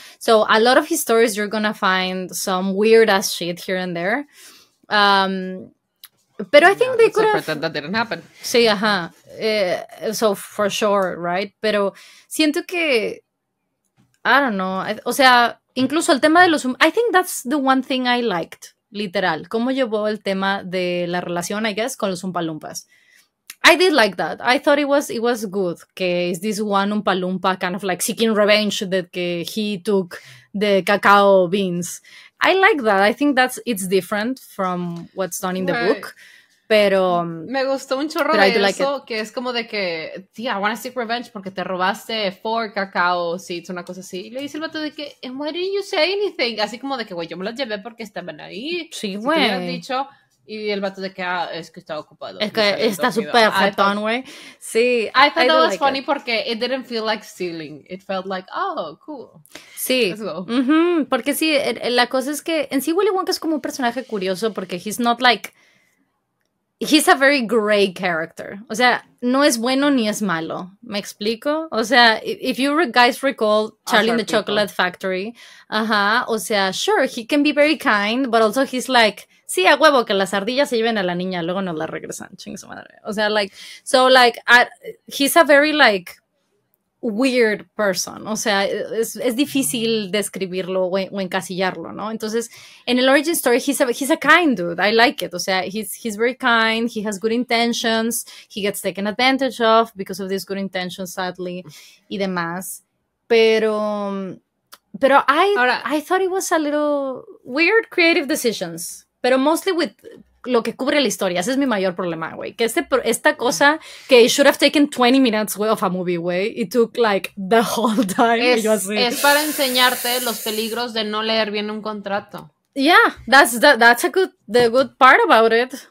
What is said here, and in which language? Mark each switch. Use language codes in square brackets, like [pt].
[en] So a lot of his stories, you're gonna find some weird-ass shit here and there. But I think they could have... pretend that didn't happen. [es] Sí, ajá. [en] So, for sure, right? [es] Pero siento que... [en] I don't know. [es] O sea, incluso el tema de los... [en] I think that's the one thing I liked, literal. [es] Cómo llevó el tema de la relación, I guess, con los Oompa Loompas. [en] I did like that. I thought it was good. Que is this one Oompa Loompa kind of like seeking revenge that que he took the cacao beans. I like that. I think it's different from what's done in the book. [es] Pero me gustó un chorro de eso, que es como de que, tía, [en] I want to seek revenge [es] porque te robaste 4 cacao seeds, una cosa así. Y le dice el vato de que, [en] and why didn't you say anything? [es] Así como de que, güey, yo me las llevé porque estaban ahí. Sí, güey. Si te hubieras dicho... Y el vato de que, es que está ocupado. Es que está súper jetón, güey. Sí. [en] I thought that was funny porque it didn't feel like stealing. It felt like, oh, cool. [es] Sí. Porque sí, la cosa es que en sí Willy Wonka es como un personaje curioso porque [en] he's not like... He's a very gray character. [es] O sea, no es bueno ni es malo. ¿Me explico? [en] O sea, if you guys recall Charlie in the Chocolate Factory, [es] o sea, [en] sure, he can be very kind, but also he's like... [es] Sí, a huevo, que las ardillas se lleven a la niña, luego nos la regresan, chingue su madre. [en] O sea, like, so, like, he's a very, like, weird person. [es] O sea, es difícil describirlo o encasillarlo, ¿no? Entonces, en el [en] origin story, he's a kind dude. I like it. O sea, he's very kind. He has good intentions. He gets taken advantage of because of these good intentions, sadly, y demás. Pero I thought it was a little weird creative decisions. Pero mostly with [es] lo que cubre la historia. Ese es mi mayor problema, güey. Que esta cosa que [en] it should have taken 20 minutes, [es] güey, of a movie, güey. [en] It took, like, the whole time. [es] Es, y yo así. Es para enseñarte los peligros de no leer bien un contrato. [en] Yeah, that's a good, the good part about it.